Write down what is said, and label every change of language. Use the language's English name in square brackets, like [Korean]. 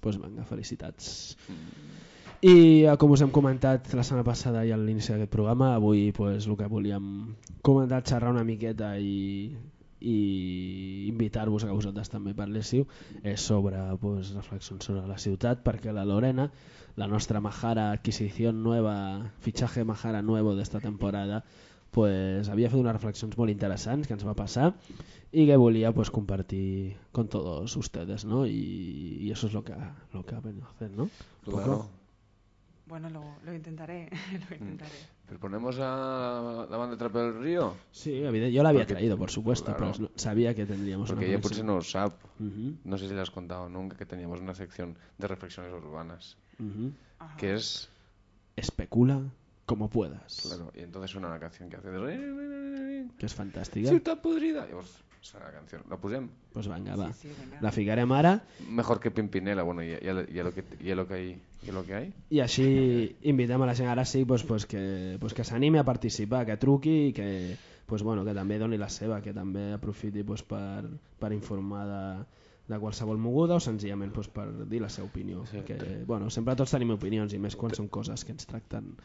[Catalan] Pues venga, felicitats. I com us hem comentat la setmana passada i a l'inici d'aquest programa, avui pues, el que volíem comentar, xerrar una miqueta i invitar-vos a que vosaltres també parléssiu sobre pues, reflexions sobre la ciutat, perquè la Lorena, la nostra Majara adquisició nova, fitxatge Majara nuevo d'esta temporada, pues, havia fet unes reflexions molt interessants que ens va passar i que volia pues, compartir [Spanish] con todos ustedes, [Catalan] no? I això és [Spanish] lo que ha venido a hacer, no? Claro. Bueno, lo intentaré. ¿Pero ponemos a la banda Trapa del Río? Sí, evidente. Yo la había traído, por supuesto, claro. Pero sabía que tendríamos porque una Porque ella por si no lo sabe. Uh-huh. No sé si le has contado nunca que teníamos una sección de reflexiones urbanas. Uh-huh. Que es... Especula como puedas. Claro, y entonces suena la canción que hace... Que es fantástica. Ciudad podrida. Y vos... O sea, la canción, ¿la pusem? Pues venga, va. Sí, sí, venga. [Catalan] La ficarem ara. [Spanish] Mejor que Pimpinela, bueno, y lo que hay. [Catalan] I així invitem a la gent ara sí pues que s'anime a participar, que truqui i que, pues bueno, que també doni la seva, que també aprofiti pues, per informar de qualsevol moguda o senzillament pues, per dir la seva opinió. Sí, que, bueno, sempre tots tenim opinions i més quan són coses que ens tracten.